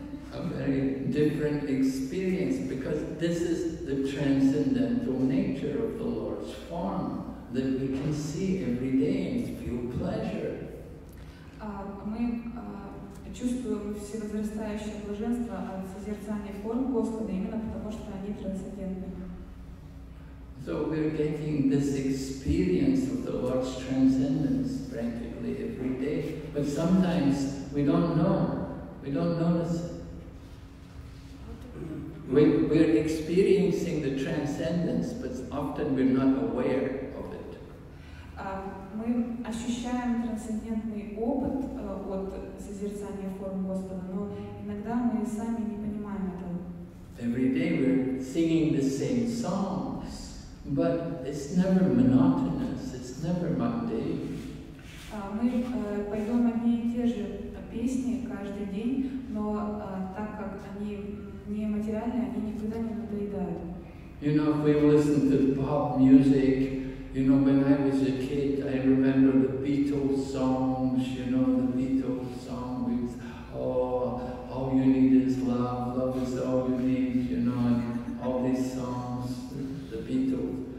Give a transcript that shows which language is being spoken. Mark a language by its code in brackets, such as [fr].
[en] A very different experience, because this is the transcendental nature of the Lord's form that we can see every day and feel pleasure. [ru] Мы чувствуем всевозрастающее блаженство от созерцания форм Господа именно потому, что они трансцендентны. [en] So we're getting this experience of the Lord's transcendence practically every day, but sometimes we don't know, we don't notice it. We're experiencing the transcendence, but often we're not aware of it. [ru] Мы ощущаем трансцендентный опыт от созерцания форм Господа, но иногда мы сами не понимаем этого. [en] Every day we're singing the same songs. But it's never monotonous, it's never mundane. [ru] Мы поем одни и те же песни каждый день, но так как они не материальные, они никогда не надоедают. [en] You know, if we listen to pop music, you know, when I was a kid, I remember the Beatles songs, you know, the Beatles song with all you need is love, love is all you need, you know, and all these songs, the Beatles.